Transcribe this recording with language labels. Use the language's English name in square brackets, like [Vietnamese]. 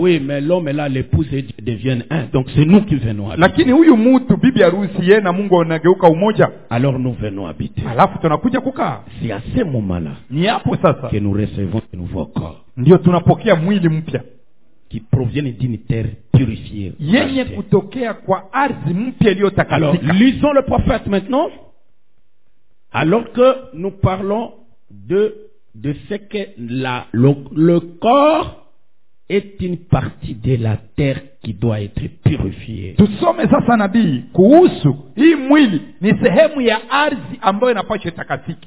[French] Oui, mais l'homme là l'épouse et deviennent un. Donc c'est nous qui venons habiter. [Swahili] Lakini huyu mtu bibi harusi yeye na Mungu anageuka umoja. [French] Alors nous venons habiter. [Swahili] Alafu tunakuja kukaa. [French] Si à ce moment-là. [Swahili] Ni hapo sasa [French] que nous recevons un nouveau corps. [Swahili] Ndio tunapokea mwili mpya. [French] Qui proviennent d'une terre purifiée. [Swahili] Yenye kutokea kwa ardhi mpya iliyotakatifu. [French] Alors, lisons le prophète maintenant. Alors que nous parlons de ce que le corps est une partie de la terre qui doit être purifiée. [Swahili] Tusome sasa nabii kuhusu hii mwili ni sehemu ya ardhi ambayo inapaswa itakatifu.